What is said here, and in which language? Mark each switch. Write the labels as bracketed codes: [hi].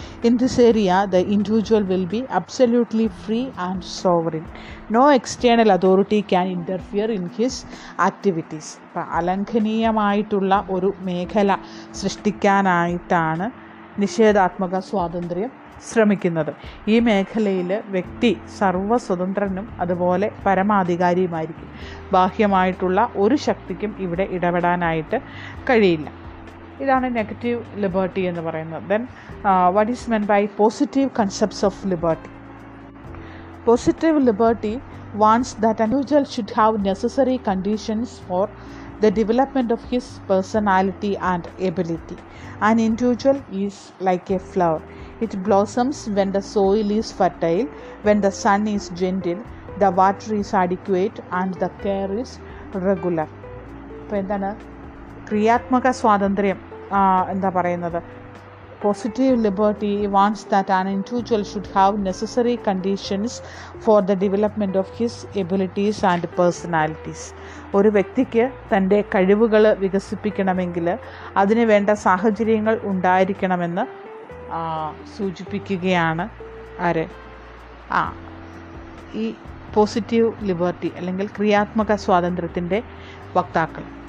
[en] In this area, the individual will be absolutely free and sovereign. No external authority can interfere in his activities. [ml] അലംഘനീയമായിട്ടുള്ള ഒരു മേഖല സൃഷ്ടിക്കാനായിട്ടാണ് നിഷേധാത്മക സ്വാതന്ത്ര്യം ശ്രമിക്കുന്നത്. ഈ മേഖലയിൽ വ്യക്തി സർവസ്വതന്ത്രനും അതുപോലെ പരമാധികാരിയുമായിരിക്കും. ബാഹ്യമായിട്ടുള്ള ഒരു ശക്തിക്കും ഇവിടെ ഇടപെടാനായിട്ട് കഴിയില്ല. ഇതാണ് നെഗറ്റീവ് ലിബർട്ടി എന്ന് പറയുന്നത്. [en] Then what is meant by positive concepts of liberty? Positive liberty wants that individual should have necessary conditions for the development of his personality and ability. An individual is like a flower. It blossoms when the soil is fertile, when the sun is gentle, the water is adequate and the care is regular. [ml] Appo endana kriyaatmaka swadandryam എന്താ പറയുന്നത് [en] Positive liberty wants that an individual should have necessary conditions for the development of his abilities and personalities. [ml] ഒരു വ്യക്തിക്ക് തൻ്റെ കഴിവുകൾ വികസിപ്പിക്കണമെങ്കിൽ അതിന് വേണ്ട സാഹചര്യങ്ങൾ ഉണ്ടായിരിക്കണമെന്ന് സൂചിപ്പിക്കുകയാണ് ആരെ ഈ പോസിറ്റീവ് ലിബർട്ടി അല്ലെങ്കിൽ ക്രിയാത്മക സ്വാതന്ത്ര്യത്തിൻ്റെ വക്താക്കൾ.